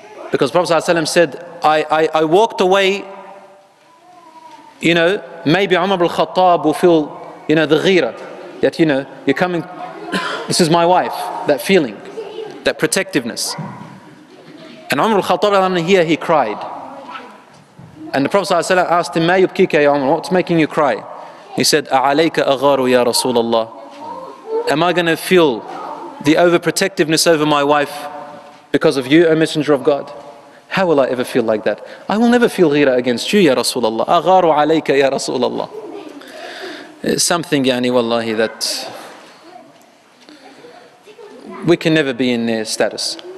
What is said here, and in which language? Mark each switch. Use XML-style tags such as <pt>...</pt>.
<en>Because Prophet sallallahu alaihi wasallam said, I walked away, you know, maybe Umar ibn al-Khattab will feel, you know, the ghira, that, you know, you're coming, this is my wife, that feeling, that protectiveness. And Umar ibn al-Khattab radiyallahu anhu, here he cried. And the Prophet sallallahu alaihi wasallam asked him,</en> <ar>ما يبكيك يا عمر?</ar> <en>What's making you cry? He said,</en> <ar>أعليك أغار يا رسول الله?</ar> <en>Am I going to feel the overprotectiveness over my wife because of you, O Messenger of God? How will I ever feel like that? I will never feel ghira against you, ya Rasulullah.</en> <ar>أغار عليك يا رسول الله.</ar> <en>Something, yani, wallahi, that we can never be in their status.</en>